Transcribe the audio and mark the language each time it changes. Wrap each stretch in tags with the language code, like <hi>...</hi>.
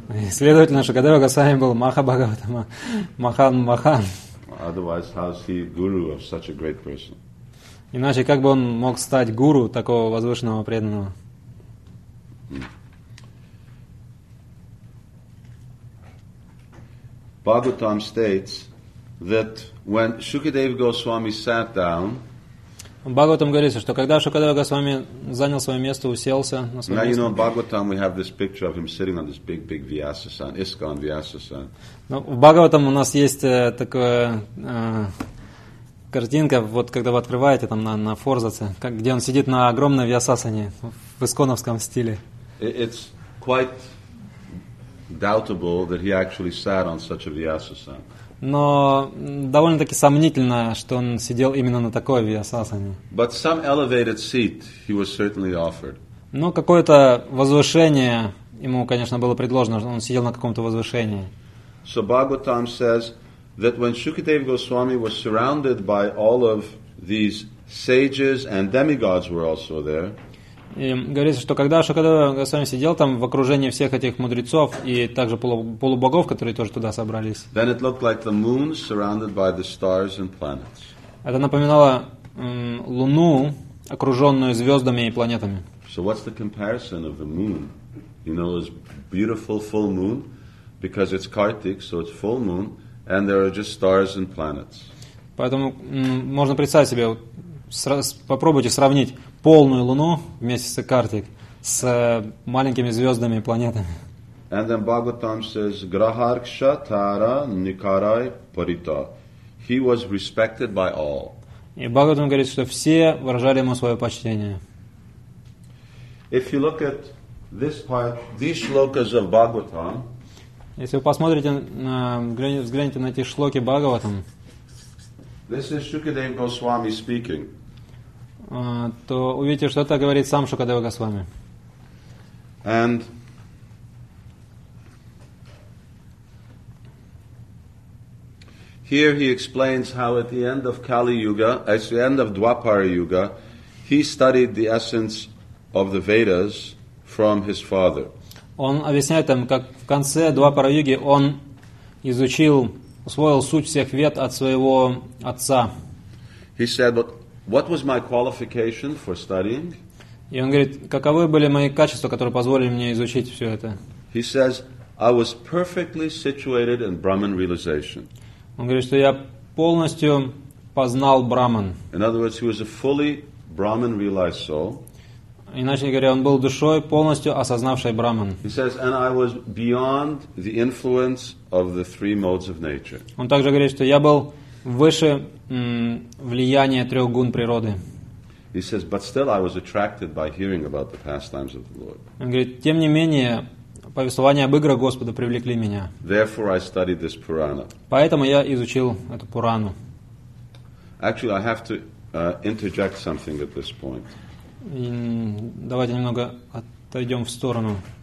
<ru>Следовательно, Шукадева Госвами был Маха Бхагавато Махан Махан.</ru> <en>Otherwise, how is he guru of such a great person?</en> <ru>Иначе как бы он мог стать гуру такого возвышенного преданного?</ru> <en>Bhagavatam states that when Shukadeva Goswami sat down,</en> <ru>Бхагаватам говорится, что когда Шукадева Госвами занял свое место, уселся на свое место.</ru> <en>Now, you know, Bhagavatam, we have this picture of him sitting on this big, big Vyasasan, ISKCON Vyasasan.</en> <ru>Ну, в Бхагаватам у нас есть такое картинка, вот когда вы открываете там на форзаце, как, где он сидит на огромной Вьясасане в исконовском стиле.</ru> <en>It's quite doubtable that he actually sat on such a Vyasasan.</en> <ru>Но довольно-таки сомнительно, что он сидел именно на такой Вьясасане.</ru> <en>But some elevated seat he was certainly offered.</en> <ru>Но какое-то возвышение ему, конечно, было предложено, он сидел на каком-то возвышении.</ru> <en>So Bhagavatam says that when Shukadeva Goswami was surrounded by all of these sages and demigods were also there.</en> <ru>И говорится, что когда Шукадева Госвами сидел там в окружении всех этих мудрецов и также полубогов, которые тоже туда собрались.</ru> <en>Then it looked like the moon surrounded by the stars and planets.</en> <ru>Это напоминало луну, окруженную звездами и планетами.</ru> <en>So what's the comparison of the moon? You know, it's beautiful full moon because it's Kartik, so it's full moon and there are just stars and planets.</en> <ru>Поэтому можно представить себе, попробуйте сравнить полную луну вместе с Картик с маленькими звездами и планетами.</ru> <en>And then Bhagavatam says,</en> <sa>Graharksha Tara Nikarai Parita.</sa> <en>He was respected by all.</en> <ru>И Бхагаватам говорит, что все выражали ему свое почтение.</ru> <en>If you look at this part, these shlokas of Bhagavatam,</en> <ru>если вы посмотрите, взгляните на эти шлоки Бхагаватам,</ru> <en>this is Shukadeva Goswami speaking.</en> <ru>То увидите, что это говорит сам Шукадева Госвами.</ru> <en>And here he explains how at the end of Kali Yuga, at the end of Dwapara Yuga, he studied the essence of the Vedas from his father.</en> <ru>Он объясняет там, как в конце Двапара Юги он изучил, усвоил суть всех вед от своего отца.</ru> <en>He said, what was my qualification for studying?</en> <ru>И он говорит, каковы были мои качества, которые позволили мне изучить все это?</ru> <en>He says, I was perfectly situated in Brahman realization.</en> <ru>Он говорит, что я полностью познал Брахман.</ru> <en>In other words, he was a fully Brahman realized soul.</en> <ru>Иначе говоря, он был душой, полностью осознавшей Брахман.</ru> <en>He says, and I was beyond the influence of the three modes of nature.</en> <ru>Он также говорит, что я был выше влияние трех гун природы.</ru> <en>He says, but still I was attracted by hearing about the pastimes of the Lord.</en> <ru>Он говорит, тем не менее, повествования об играх Господа привлекли меня.</ru> <en>Therefore I studied this Purana.</en> <ru>Поэтому я изучил эту Пурану.</ru> <en>Actually, I have to interject something at this point.</en> <ru>Давайте немного отойдем в сторону.</ru>